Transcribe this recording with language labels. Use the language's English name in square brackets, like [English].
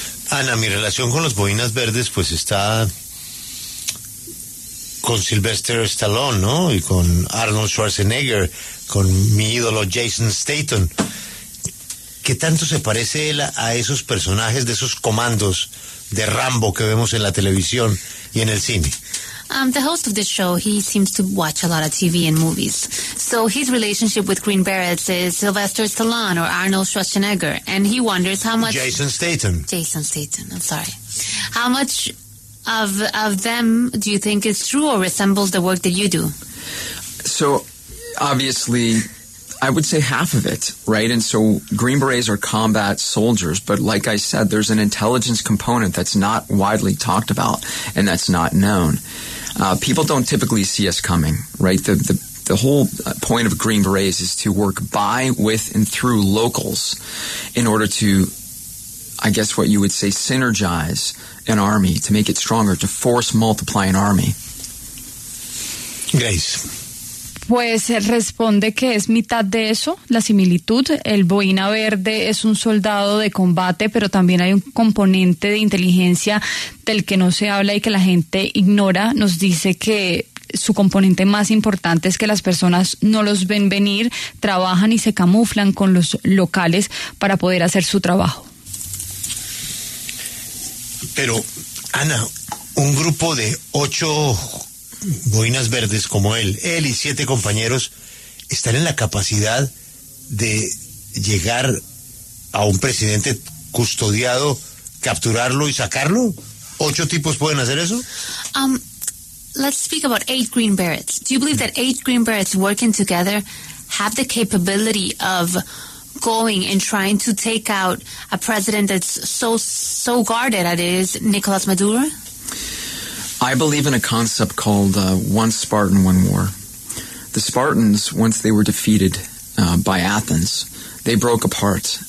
[Spanish] Ana, mi relación con los boinas verdes pues está con Sylvester Stallone, ¿no? Y con Arnold Schwarzenegger, con mi ídolo Jason Statham. ¿Qué tanto se parece él a esos personajes de esos comandos de Rambo que vemos en la televisión y en el cine? [English] The host of the show, he seems to watch a lot of TV and movies. So his relationship with Green Berets is Sylvester Stallone or Arnold Schwarzenegger. And he wonders how much... Jason Statham, I'm sorry. How much of them do you think is true or resembles the work that you do? So, obviously, I would say half of it, right? And so Green Berets are combat soldiers, but like I said, there's an intelligence component that's not widely talked about and that's not known. People don't typically see us coming, right? The whole point of Green Berets is to work by, with, and through locals in order to, I guess what you would say, synergize an army, to make it stronger, to force multiply an army. Grace. [Spanish] Pues responde que es mitad de eso, la similitud. El boina verde es un soldado de combate, pero también hay un componente de inteligencia del que no se habla y que la gente ignora. Nos dice que su componente más importante es que las personas no los ven venir, trabajan y se camuflan con los locales para poder hacer su trabajo. Pero, Ana, un grupo de 8 boinas verdes como él y 7 compañeros, ¿están en la capacidad de llegar a un presidente custodiado, capturarlo y sacarlo? ¿8 tipos pueden hacer eso? [English] Let's speak about 8 Green Berets. Do you believe that 8 Green Berets working together have the capability of going and trying to take out a president that's so guarded as it is, Nicolas Maduro? I believe in a concept called One Spartan, One War. The Spartans, once they were defeated by Athens, they broke apart.